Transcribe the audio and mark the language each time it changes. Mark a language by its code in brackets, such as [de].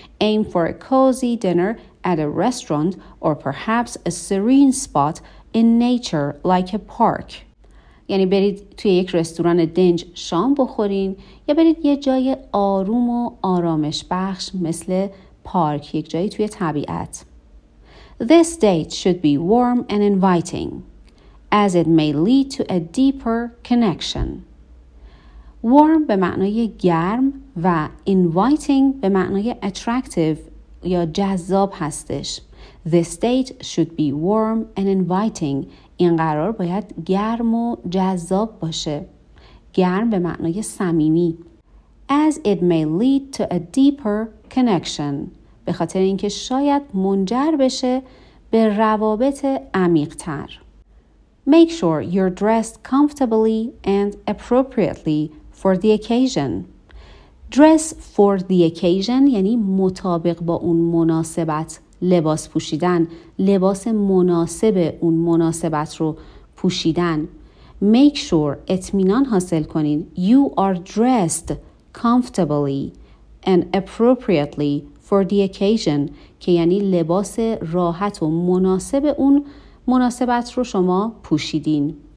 [en] Aim for a cozy dinner at a restaurant or perhaps a serene spot in nature like a park. [fa] یعنی برید توی یک رستوران دنج شام بخورین یا برید یه جای آروم و آرامش بخش مثل پارک، یک جایی توی طبیعت. [en] This date should be warm and inviting as it may lead to a deeper connection. [fa] Warm به معنای گرم و inviting به معنای attractive یا جذاب هستش. [en] This date should be warm and inviting. [fa] این قرار باید گرم و جذاب باشه. گرم به معنای صمیمی. [en] As it may lead to a deeper connection. [fa] به خاطر اینکه شاید منجر بشه به روابط عمیق‌تر. [en] Make sure you're dressed comfortably and appropriately for the occasion. Dress for the occasion [fa] یعنی مطابق با اون مناسبت لباس پوشیدن، لباس مناسب اون مناسبت رو پوشیدن. [en] Make sure [fa] اطمینان حاصل کنین [en] you are dressed comfortably and appropriately for the occasion، [fa] که یعنی لباس راحت و مناسب اون مناسبت رو شما پوشیدین.